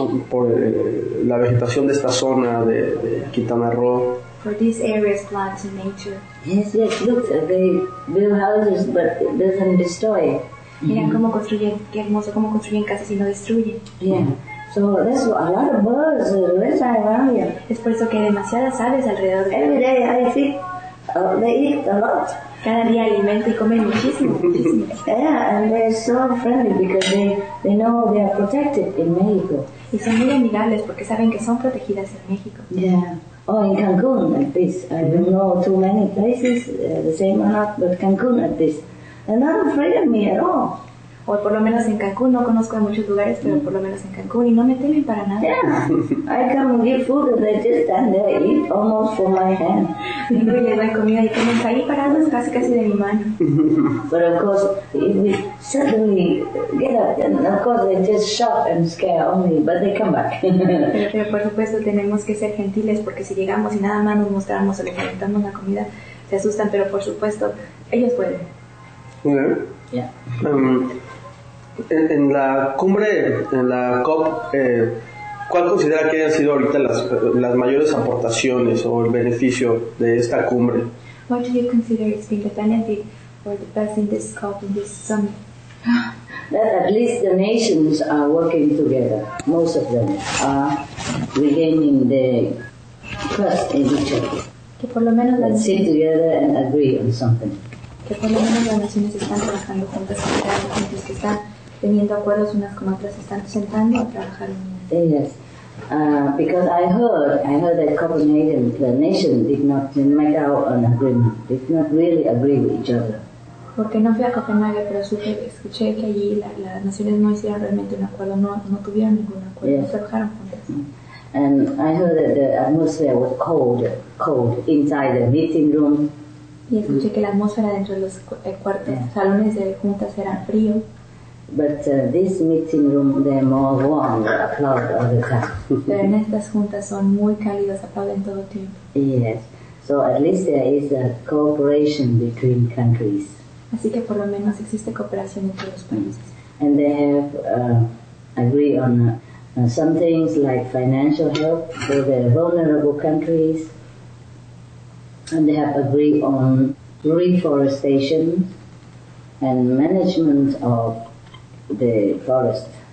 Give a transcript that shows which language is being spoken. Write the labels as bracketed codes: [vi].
[es] Por la vegetación de esta zona de Quintana Roo. [en] For these areas, plants and nature. Yes, look, they build houses, but it doesn't destroy. [es] Mira cómo construyen, qué hermoso, cómo construyen casas y no destruyen. [en] So there's a lot of birds around here. [es] Es por eso que hay demasiadas aves alrededor. [en] Every day I think they eat a lot. [es] Cada día alimento y comen muchísimo. [en] Yeah, and they're so friendly because they know they are protected in Mexico. [es] Y son muy amigables porque saben que son protegidas en México. [en] Yeah. Oh, in Cancun at this. I don't know too many places, the same or not, but Cancun at this. They're not afraid of me at all. [es] O por lo menos en Cancun, no conozco de muchos lugares, pero por lo menos en Cancun, y no me temen para nada. [en] Yeah, I come and give food and they just stand there, eat almost from my hand. [es] Vengo y le doy comida y como está ahí parados, casi de mi mano. [en] But of course, if we suddenly get up, then of course they just shock and scare only, but they come back. [es] Pero por supuesto tenemos que ser gentiles, porque si llegamos y nada más nos mostramos o les presentamos la comida, se asustan, pero por supuesto, ellos pueden. [en] Okay. Yeah. [es] En la cumbre, en la COP, ¿cuál considera que hayan sido ahorita las mayores aportaciones o el beneficio de esta cumbre? [en] What do you consider it's been the benefit or the best in this COP, in this summit? That at least the nations are working together. Most of them are regaining the trust in each other. [es] Que por lo menos [en] let's sit together and agree on something. [es] Que por lo menos las naciones están trabajando juntas, juntas que están teniendo acuerdos unas con otras, están sentando a trabajar en ellas. [en] Yes, because I heard that Copenhagen, the nation, did not make out an agreement, did not really agree with each other. [es] Porque no fui a Copenhague, pero escuché que allí las naciones no hicieron realmente un acuerdo, no tuvieron ningún acuerdo, yes. No trabajaron juntas. [en] And I heard that the atmosphere was cold inside the meeting room. [es] Y escuché que la atmósfera dentro de los cuartos, yeah, salones de juntas era frío. [en] But this meeting room, they're more warm, applaud all the time. [es] Pero en estas juntas son muy cálidas, aplauden todo el tiempo. [en] Yes, so at least there is a cooperation between countries. [es] Así que por lo menos existe cooperación entre los países. [en] And they have agreed on some things like financial help for the vulnerable countries. And they have agreed on reforestation and management of the forest.